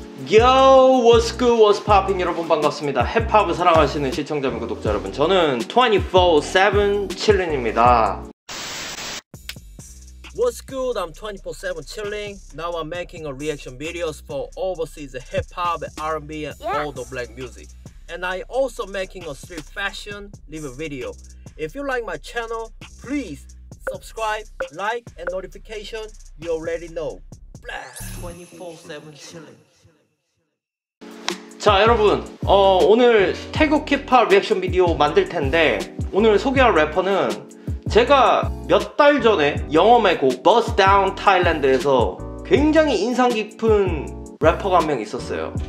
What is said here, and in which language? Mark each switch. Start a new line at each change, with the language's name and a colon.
English: Yo, what's good, what's popping,
Korean: 여러분 반갑습니다. 힙합을 사랑하시는 시청자 분, 구독자 여러분, 저는 24/7 칠링입니다.
English: What's good, I'm 24/7 chilling. Now I'm making a reaction videos for overseas hip-hop, R&B, and yes. all the black music. And I also making a street fashion live video. If you like my channel, please subscribe, like, and notification, you already know. Blast! 24/7 chilling.
Korean: 자, 여러분, 오늘 태국 힙합 리액션 비디오 만들 텐데, 오늘 소개할 래퍼는 제가 몇 달 전에 영어 메고 버스 다운 타일랜드에서 굉장히 인상 깊은 래퍼가 한 명 있었어요.